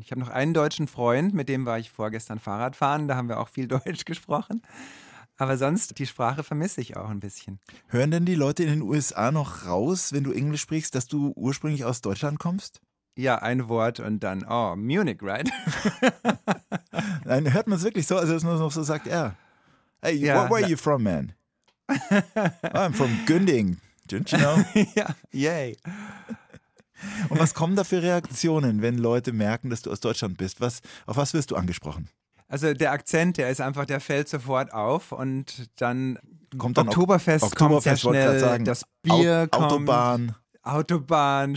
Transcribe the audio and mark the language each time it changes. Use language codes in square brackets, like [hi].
[de] Ich habe noch einen deutschen Freund, mit dem war ich vorgestern Fahrradfahren, da haben wir auch viel Deutsch gesprochen, aber sonst, die Sprache vermisse ich auch ein bisschen. Hören denn die Leute in den USA noch raus, wenn du Englisch sprichst, dass du ursprünglich aus Deutschland kommst? Ja, ein Wort und dann, [en] oh, Munich, right? [de] Nein, hört man es wirklich so, als ob man noch so sagt, ja. [en] Hey, ja, where are you from, man? Oh, I'm from Günding, don't you know? [de] Ja, yay. Und was kommen da für Reaktionen, wenn Leute merken, dass du aus Deutschland bist? Auf was wirst du angesprochen? Also der Akzent, der ist einfach, der fällt sofort auf und dann kommt Oktoberfest, kommt sehr schnell, das Bier kommt. Autobahn,